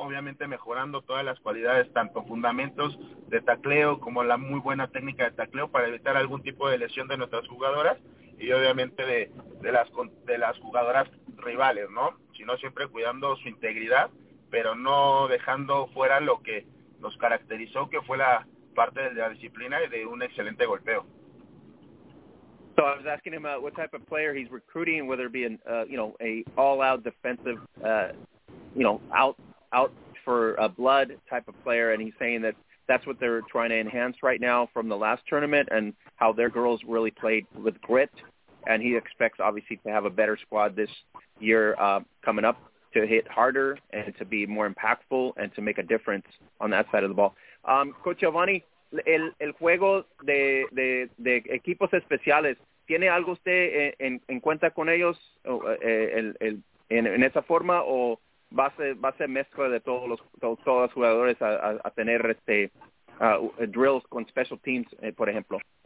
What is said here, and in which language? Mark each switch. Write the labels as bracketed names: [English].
[Spanish] Obviamente mejorando todas las cualidades, tanto fundamentos de tacleo como la muy buena técnica de tacleo para evitar algún tipo de lesión de nuestras jugadoras y obviamente de las jugadoras rivales, ¿no? Sino siempre cuidando su integridad, pero no dejando fuera lo que nos caracterizó, que fue la parte de la disciplina y de un excelente golpeo. [English] So I was asking him what type of player he's recruiting, whether it be a all-out defensive, out for blood type of player, and he's saying that that's what they're trying to enhance right now from the last tournament and how their girls really played with grit, and he expects obviously to have a better squad this year coming up to hit harder and to be more impactful and to make a difference on that side of the ball. [Spanish] Coach Giovanni, El juego de equipos especiales, ¿tiene algo usted en cuenta con ellos en esa forma o va a ser mezcla de todos los jugadores a tener drills con special teams, por ejemplo?